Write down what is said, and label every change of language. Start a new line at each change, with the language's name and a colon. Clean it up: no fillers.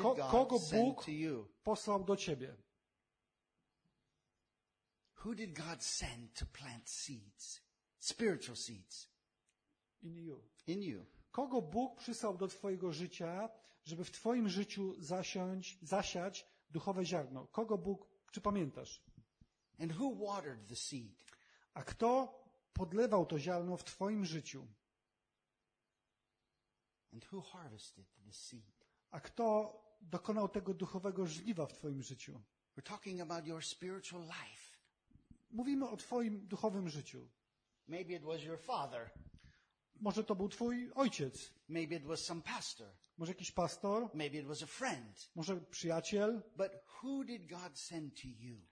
Polish: Kogo Bóg posłał do ciebie?
English: Who did God send to plant seeds? Spiritual seeds. In you.
Polish: Kogo Bóg przysłał do twojego życia, żeby w twoim życiu zasiać duchowe ziarno? Kogo Bóg, czy pamiętasz?
English: And who watered the seed?
Polish: A kto podlewał to ziarno w twoim życiu?
English: And who harvested the seed?
Polish: A kto dokonał tego duchowego żniwa w twoim życiu?
English: We're talking about your spiritual life.
Polish: Mówimy o twoim duchowym życiu.
English: Maybe it was your father.
Polish: Może to był twój ojciec.
English: Maybe it was some pastor.
Polish: Może jakiś pastor.
English: Maybe it was a friend.
Polish: Może przyjaciel.
English: But who did God send to you?